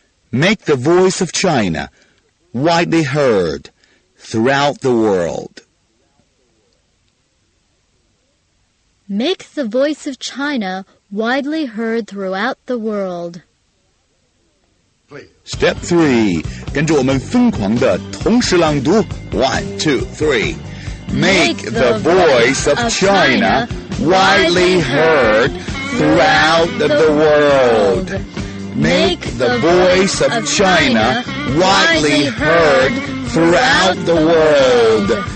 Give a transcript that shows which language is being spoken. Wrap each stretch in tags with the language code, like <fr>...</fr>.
<en>Make the voice of China widely heard throughout the world. Make the voice of China widely heard throughout the world. Please. Step 3.</en> <zh>跟着我们疯狂的同时朗读。</zh> <en>One, two, three. Make the voice of China widely heard throughout the world. Make the voice of China widely heard throughout the world.</en>